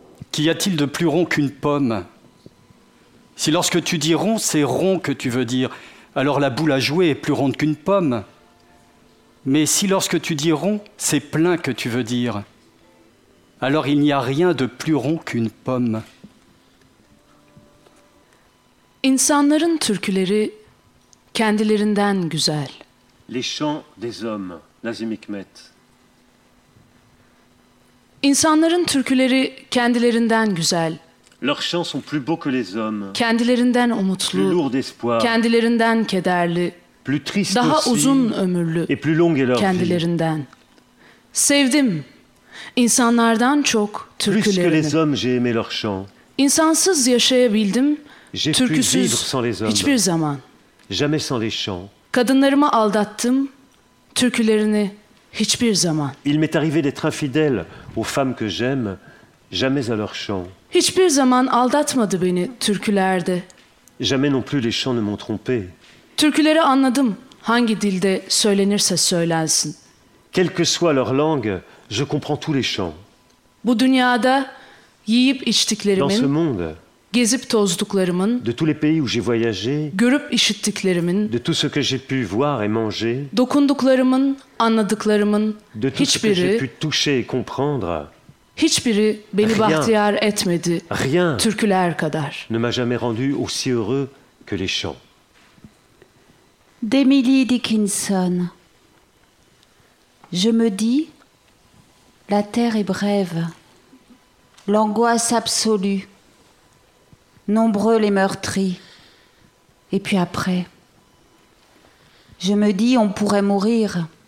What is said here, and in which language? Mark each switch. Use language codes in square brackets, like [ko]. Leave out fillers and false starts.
[fr] Qu'y a-t-il de plus rond qu'une pomme ? Si lorsque tu dis rond, c'est rond que tu veux dire, alors la boule à jouer est plus ronde qu'une pomme. Mais si lorsque tu dis rond, c'est plein que tu veux dire, alors il n'y a rien de plus rond qu'une pomme. [tr] İnsanların türküleri kendilerinden güzel. [fr] Les chants des hommes, Nazım Hikmet. [tr] İnsanların türküleri kendilerinden güzel. [fr] Leurs chants sont plus beaux que les hommes. [tr] Kendilerinden umutlu. [fr] Plus lourd d'espoir. [tr] Kendilerinden kederli. [fr] Plus triste. [tr] Daha [fr] aussi, [tr] uzun ömürlü. [fr] Et plus longue leur vie. [tr] Kendilerinden. Sevdim. İnsanlardan çok türkülerini. [fr] Plus que les hommes, j'ai aimé leurs chants. [tr] İnsansız yaşayabildim. [fr] J'ai [tr] türküsüz [fr] pu vivre sans les hommes. [tr] Hiçbir zaman. [fr] Jamais sans les chants. [tr] Kadınlarımı aldattım. Türkülerini hiçbir zaman. [fr] Il m'est arrivé d'être infidèle aux femmes que j'aime, jamais à leurs chants. [tr] Hiçbir zaman aldatmadı beni türkülerde. [fr] Jamais non plus les chants ne m'ont trompé. [tr] Türküleri anladım. Hangi dilde söylenirse söylensin. [fr] Quelle que soit leur langue, je comprends tous les chants. [tr] Bu dünyada yiyip içtiklerimin, [fr] dans ce monde, [tr] gezip tozduklarımın, [fr] de tous les pays où j'ai voyagé, [tr] görüp işittiklerimin, [fr] de tout ce que j'ai pu voir et manger, [tr] dokunduklarımın, anladıklarımın, [fr] de tout [tr] hiçbiri, [fr] ce que j'ai pu toucher et comprendre, [tr] hiçbiri beni [fr] rien, [tr] bahtiyar etmedi, [fr] rien [tr] türküler kadar. [fr] Ne m'a jamais rendu aussi heureux que les chants. D'Emily Dickinson. Je me dis, la terre est brève, l'angoisse absolue, nombreux les meurtris, et puis après, je me dis, on pourrait mourir.